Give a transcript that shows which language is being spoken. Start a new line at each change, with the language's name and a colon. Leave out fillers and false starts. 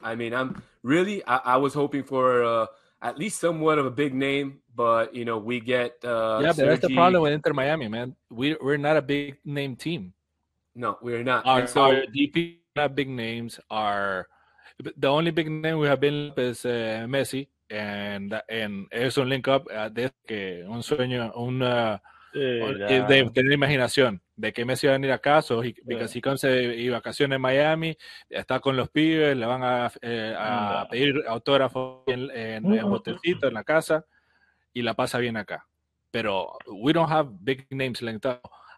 English: I mean, I was hoping for at least somewhat of a big name, but, you know, we get yeah, but that's the problem with Inter Miami, man. We're not a big name team. No, we're not. Our DP not big names. The only big name we have been is Messi, and it's a link up.
Spanish: Un sueño, de la imaginación, de que Messi va a venir acá,
English: so because he comes
Spanish: y vacaciones en Miami, está con los pibes, le van a pedir autógrafo en botecito, en la casa, y la pasa bien acá. Pero
English: we don't have big names linked up.